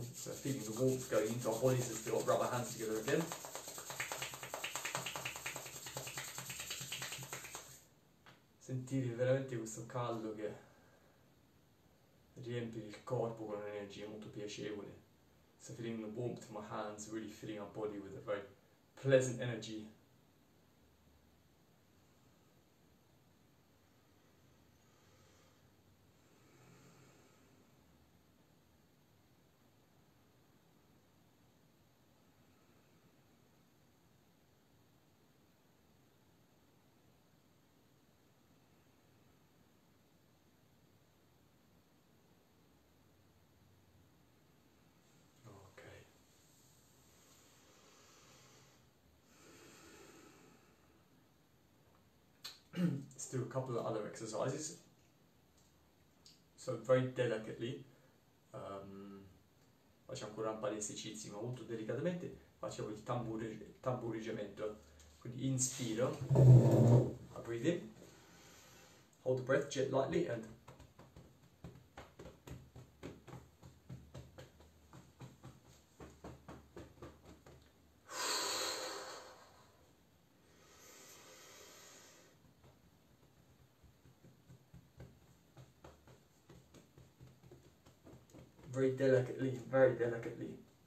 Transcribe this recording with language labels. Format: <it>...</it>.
<en>So feeling the warmth going into our bodies as we all rub our hands together again.</en> <it>Sentire veramente questo caldo che riempie il corpo con un'energia molto piacevole.</it> <en>So feeling the warmth of my hands, really filling our body with a very pleasant energy. Let's do a couple of other exercises. So very delicately,</en> <it>facciamo ancora un paio di esercizi, ma molto delicatamente facciamo il tamburiggiamento. Quindi inspiro,</it> <en>I breathe in, hold the breath, jet lightly, and very delicately, very delicately.</en>